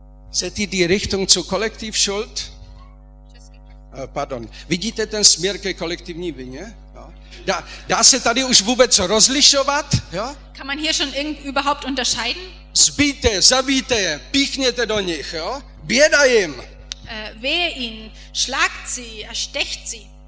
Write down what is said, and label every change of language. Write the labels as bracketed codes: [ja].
[de] Seht ihr die Richtung zur Kollektivschuld? Pardon. [cs] Vidíte ten směr ke kolektivní vině? Jo? Dá se tady už vůbec rozlišovat? Jo? [de] Kann man hier schon überhaupt unterscheiden? [cs] Zbijte, zabijte je, píchněte do nich. Jo? Běda jim. [de] Wehe ihnen, schlagt sie, erstecht sie.